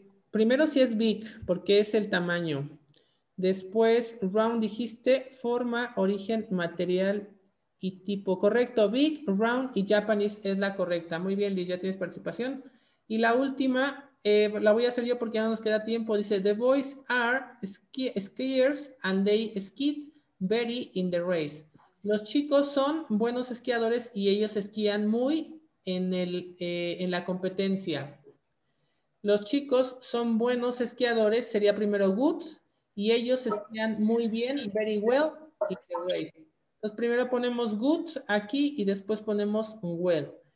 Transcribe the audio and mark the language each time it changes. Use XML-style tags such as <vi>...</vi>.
<es>Primero sí es big, porque es el tamaño. Después, round, dijiste forma, origen, material y tipo. Correcto, big, round y Japanese es la correcta. Muy bien, Liz, ya tienes participación. Y la última, la voy a hacer yo porque ya no nos queda tiempo. Dice,</es> <en>the boys are skiers and they skied very in the race.</en> <es>Los chicos son buenos esquiadores y ellos esquían muy en la competencia. Los chicos son buenos esquiadores, sería primero good, y ellos esquían muy bien,</es> <en>very well,</en> <es>y the race. Entonces primero ponemos good aquí y después ponemos well.</es>